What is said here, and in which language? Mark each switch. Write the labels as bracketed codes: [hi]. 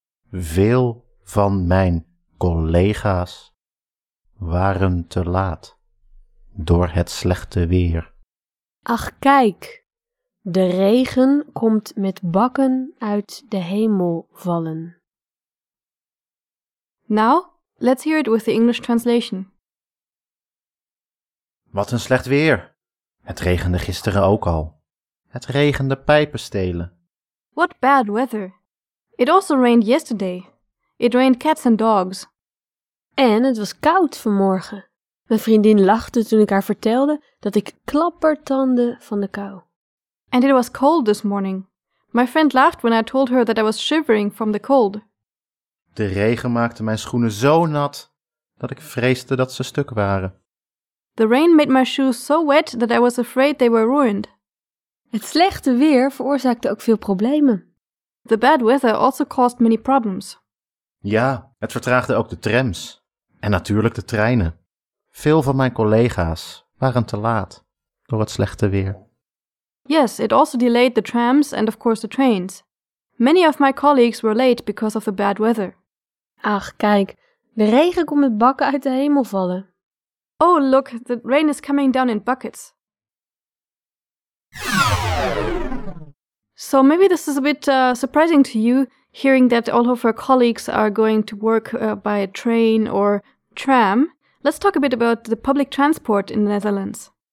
[nl] Veel van mijn collega's waren te laat door het slechte weer. Ach kijk, de regen komt met bakken uit de hemel vallen. [en] Now, let's hear it with the English translation. [nl] Wat een slecht weer. Het regende gisteren ook al. Het regende pijpen stelen. [en] What bad weather. It also rained yesterday. It rained cats and dogs. [nl] En het was koud vanmorgen. Mijn vriendin lachte toen ik haar vertelde dat ik klappertandde van de kou. [en] And it was cold this morning. My friend laughed when I told her that I was shivering from the cold. [nl] De regen maakte mijn schoenen zo nat dat ik vreesde dat ze stuk waren. [en] The rain made my shoes so wet that I was afraid they were ruined. [nl] Het slechte weer veroorzaakte ook veel problemen. [en] The bad weather also caused many problems. [nl] Ja, het vertraagde ook de trams. En natuurlijk de treinen. Veel van mijn collega's waren te laat door het slechte weer. [en] Yes, it also delayed the trams and of course the trains. Many of my colleagues were late because of the bad weather. [nl] Ach, kijk, de regen komt met bakken uit de hemel vallen. [en] Oh, look, the rain is coming down in buckets. So maybe this is a bit surprising to you, hearing that all of our colleagues are going to work by a train or tram. Let's talk a bit about the public transport in the Netherlands.